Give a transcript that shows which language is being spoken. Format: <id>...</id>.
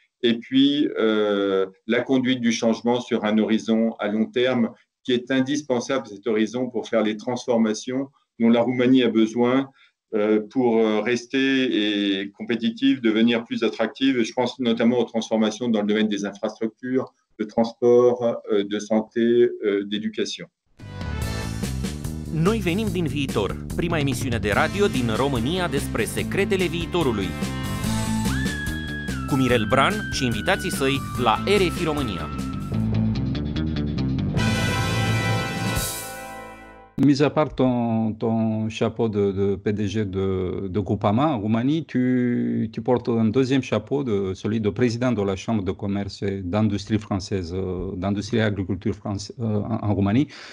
<fr>Et puis, la conduite du changement sur un horizon à long terme, qui est indispensable, cet horizon, pour faire les transformations dont la Roumanie a besoin pour rester compétitive, devenir plus attractive. Je pense notamment aux transformations dans le domaine des infrastructures, de transport, de santé, d'éducation.</fr> <ro>Noi venim din viitor. Prima emisiune de radio din România despre secretele viitorului. Cu Mirel Bran și invitații săi la RFI România.</ro> <fr>Mis à part ton chapeau de PDG de Groupama en Roumanie, tu portes un deuxième chapeau, celui de président de la Chambre de commerce et d'industrie française, d'industrie et agriculture française en Roumanie.</fr>